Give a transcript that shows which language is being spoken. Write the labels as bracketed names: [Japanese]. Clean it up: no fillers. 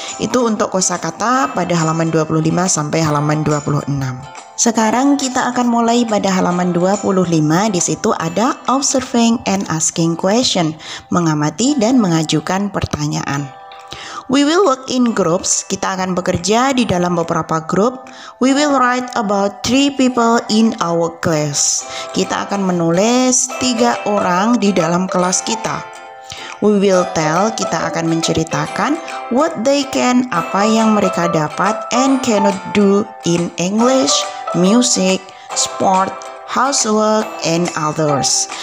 [Indonesian] Itu untuk kosakata pada halaman 25 sampai halaman 26. Sekarang kita akan mulai pada halaman 25. Di situ ada [English] observing and asking question, [Indonesian] mengamati dan mengajukan pertanyaan. [English] We will work in groups. [Indonesian] Kita akan bekerja di dalam beberapa grup. [English] We will write about 3 people in our class. [Indonesian] Kita akan menulis 3 orang di dalam kelas kita. [English] We will tell. [Indonesian] Kita akan menceritakan [English] what they can, [Indonesian] apa yang mereka dapat [English] and cannot do in English, music, sport, housework, and others.